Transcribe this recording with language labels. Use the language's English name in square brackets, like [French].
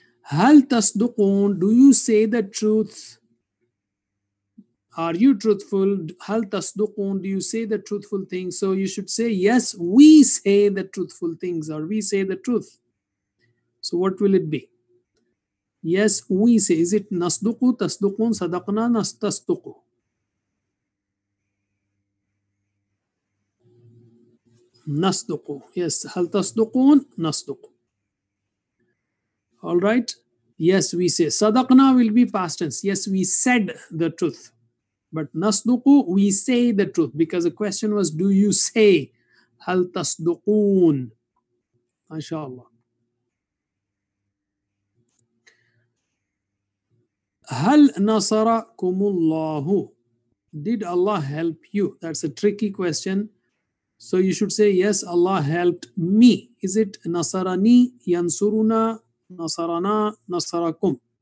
[Arabic] هل تصدقون, [English] do you say the truth? Are you truthful? [Arabic] هل تصدقون, [English] do you say the truthful things? So you should say, yes, we say the truthful things, or we say the truth. So what will it be? Yes, we say. Is it [Arabic] نصدق, تصدقون, صدقنا, نستصدق? نصدق. Yes, هل تصدقون, نصدق. [English] All right. Yes, we say. [Arabic] صدقنا [English] will be past tense. Yes, we said the truth. But نصدق, we say the truth. Because the question was, do you say? [Arabic] هل تصدقون? [English] MashaAllah. [Arabic] هل نصركم الله? [English] Did Allah help you? That's a tricky question. So you should say, yes, Allah helped me. Is it [Arabic] نصرني, ينصرنا, نصرنا, نصركم?